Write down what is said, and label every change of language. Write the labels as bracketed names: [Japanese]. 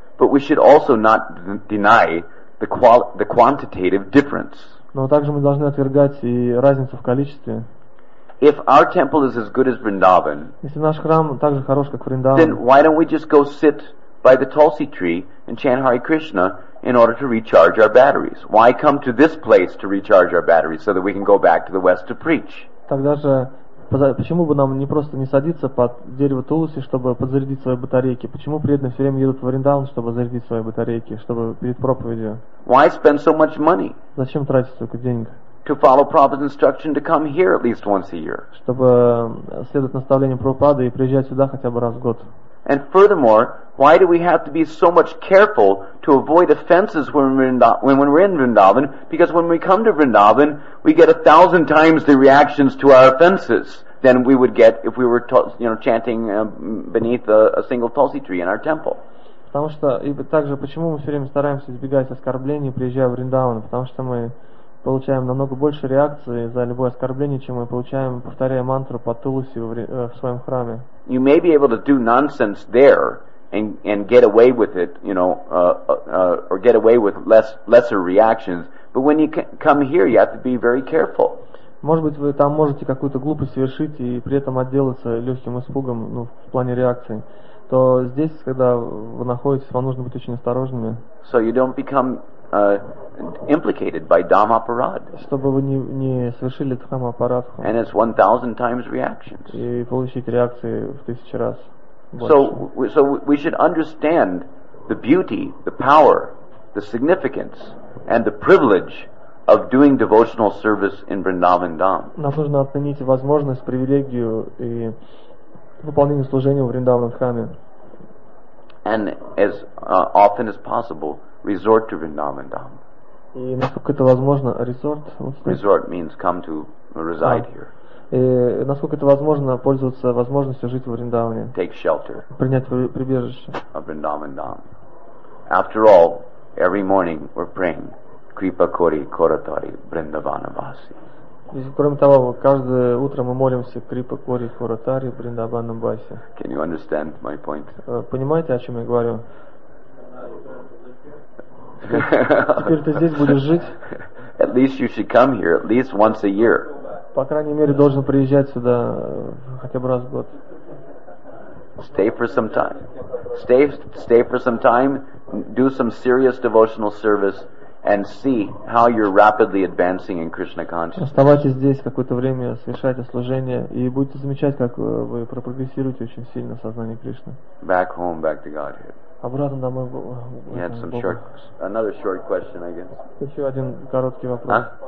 [English] But we should also not deny the quantitative difference. [Russian] Но также мы должны отвергать и разницу в количестве. [English] If our temple is as good as Vrindavan, [Russian] если наш храм так же хорош, как Вриндаван, [English] then why don't we just go sit by the tulsi tree and chant Hare Krishna in order to recharge our batteries? Why come to this place to recharge our batteries so that we can go back to the west to preach? [Russian] Тогда же почему бы нам не просто не садиться под дерево Тулуси, чтобы подзарядить свои батарейки? Почему преданные все время едут в Вриндаван, чтобы зарядить свои батарейки, чтобы перед проповедью? [English] Why spend so much money? [Russian] Зачем тратить столько денег? [English] To follow Prabhupada's instruction to come here at least once a year. [Russian] Чтобы следовать наставлениям Прабхупады и приезжать сюда хотя бы раз в год. [English] And furthermore, why do we have to be so much careful to avoid offenses when we're in Vrindavan? Because when we come to Vrindavan, we get 1,000 times the reactions to our offenses than we would get if we were, chanting beneath a single tulsi tree in our temple. [Russian] Потому что и также почему мы все время стараемся избегать оскорблений, приезжая в Вриндаван, потому что мы получаем намного больше реакции за любое оскорбление, чем мы получаем, повторяя мантру по туласи в своем храме. [English] You may be able to do nonsense there and get away with it, or get away with lesser reactions, but when you come here, you have to be very careful. [Russian] Может быть, вы там можете какую-то глупость совершить и при этом отделаться легким испугом, ну, в плане реакции. То здесь, когда вы находитесь, вам нужно быть очень осторожными. [English] So you don't become implicated by dhamma parad. [Russian] Чтобы вы не совершили дхамма парадху. [English] And it's 1,000 times reactions. [Russian] И получить реакции в тысячу раз. [English] So we should understand the beauty, the power, the significance, and the privilege of doing devotional service in Vrindavan Dham. [Russian] Нам нужно оценить возможность, привилегию и выполнение служения в Вриндаван Храме. [English] And as often as possible, resort to Vrindavan Dham. [Russian] И насколько это возможно, resort. [English] Resort means come to reside here. [Russian] И насколько это возможно, пользоваться возможностью жить в Вриндаване. [English] Take shelter. [Russian] Принять прибежище. [English] Of Vrindavan Dham. After all, every morning we're praying, [Bangla] Kripa Kori Koratari Vrindavana Vasi. [Russian] Кроме того, каждое утро мы молимся [Bangla] Крипа Кори Хоратари Бриндабана Баси. [English] Can you understand my point? [Russian] Понимаете, о чем я говорю? Теперь ты здесь будешь жить? [English] At least you should come here at least once a year. [Russian] По крайней мере, должен приезжать сюда хотя бы раз в год. [English] Stay for some time. Stay for some time. Do some serious devotional service. And see how you're rapidly advancing in Krishna consciousness. [Russian] Оставайтесь здесь какое-то время, совершайте служение, и будете замечать, как вы прогрессируете очень сильно в сознании Кришны. [English] Back home, back to Godhead. [Russian] Обратно домой. [English] Had some short, another short question, I guess. [Russian] Еще один короткий вопрос.